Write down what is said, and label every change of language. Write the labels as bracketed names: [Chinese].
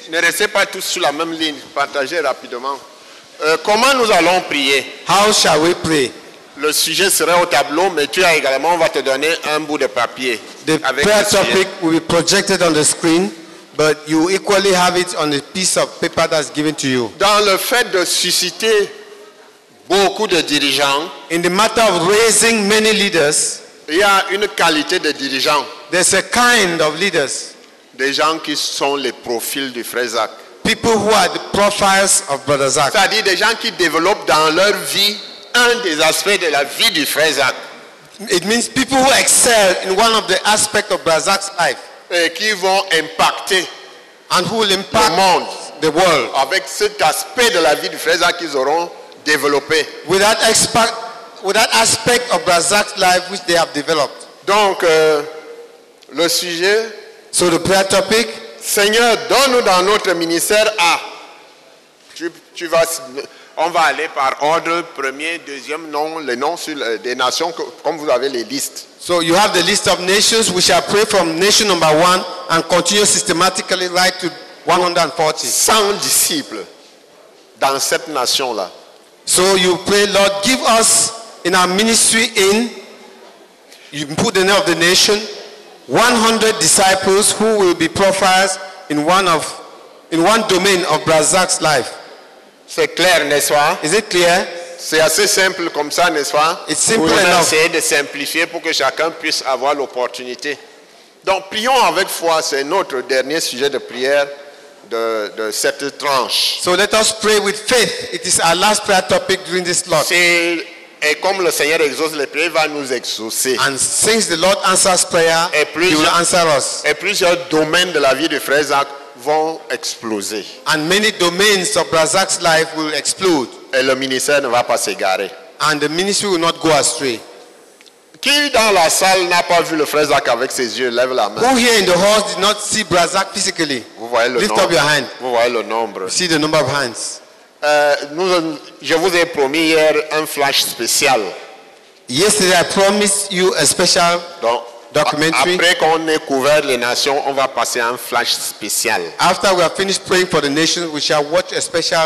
[French] Ne restez pas tous sur la même ligne. Partagez rapidement. Comment nous allons prier? [English] How shall we pray? [French] Le sujet sera au tableau, mais tu as également, on va te donner un bout de papier. [English] The prayer topic will be projected on the screen. But you equally have it on a piece of paper that's given to you. [French] Dans le fait de susciter beaucoup de dirigeants, [English] in the matter of raising many leaders, [French] il y a une qualité de dirigeants. [English] There's a kind of leaders. [French] Des gens qui sont les profils du frère Zach. [English] People who are the profiles of Brother Zach. [French] C'est-à-dire des gens qui développent dans leur vie un des aspects de la vie du frère Zach. [English] It means people who excel in one of the aspects of Brother Zach's life. [French] Et qui vont impacter [English] and who will impact [French] le monde, [English] the world, [French] avec cet aspect de la vie du frère qu'ils auront développé. [English] With that aspect of Brazak's life which they have developed. [French] Donc, le sujet. [English] So the prayer topic. [French] Seigneur, donne-nous dans notre ministère à. Tu vas. On va aller par ordre premier, deuxième nom, les noms sur des nations comme vous avez les listes. [English] So you have the list of nations. We shall pray from nation number one and continue systematically right to 140. [French] 100 disciples dans cette nation-là. [English] So you pray, Lord, give us in our ministry in, you put the name of the nation, 100 disciples who will be profiles in one domain of Brazak's life. [French] C'est clair, n'est-ce pas? [English] Is it clear? [French] C'est assez simple comme ça, n'est-ce pas? [English] It's simple enough. [French] On essaie de simplifier pour que chacun puisse avoir l'opportunité. Donc, prions avec foi. C'est notre dernier sujet de prière de cette tranche. [English] So let us pray with faith. It is our last prayer topic during this slot. [French] Et comme le Seigneur exauce les prières, il va nous exaucer. [English] And since the Lord answers prayer, he will answer us. [French] Et plusieurs domaines de la vie de Frère Zach vont exploser. [English] And many domains of Frère Zach's life will explode. [French] Et le ministère ne va pas s'égarer. [English] And the ministry will not go astray. [French] Qui dans la salle n'a pas vu le frère Zach avec ses yeux? Lève la main. [English] Who here in the hall did not see Brazak physically? [French] Vous voyez le [English] lift [French] nombre. [English] Lift up your hand. [French] Vous voyez le nombre. [English] You see the number of hands. [French] Je vous ai promis hier un flash spécial. [English] Yesterday I promised you a special. [French] Donc, [English] documentary. [French] Après qu'on ait couvert les nations, on va passer un flash spécial. [English] After we have finished praying for the nations, we shall watch a special.